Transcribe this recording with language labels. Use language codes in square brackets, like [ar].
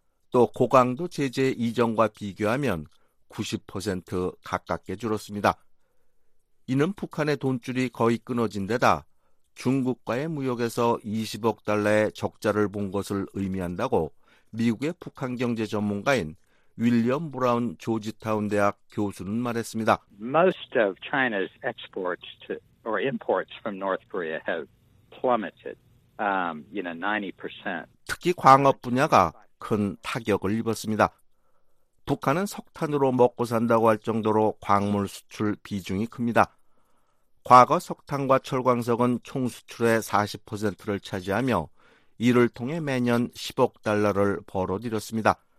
[ko] 또 고강도 제재 이전과 비교하면 90% 가깝게 줄었습니다. 이는 북한의 돈줄이 거의 끊어진 데다 중국과의 무역에서 20억 달러의 적자를 본 것을 의미한다고 미국의 북한 경제 전문가인 윌리엄 브라운 조지타운 대학 교수는 말했습니다. [en] Most of China's exports to, or imports from North Korea have plummeted, you know, 90%. [ko] 특히 광업 분야가 큰 타격을 입었습니다. 북한은 석탄으로 먹고 산다고 할 정도로 광물 수출 비중이 큽니다. 과거 석탄과 철광석은 총 수출의 40%를 차지하며 이를 통해 매년 10억 달러를 벌어들였습니다.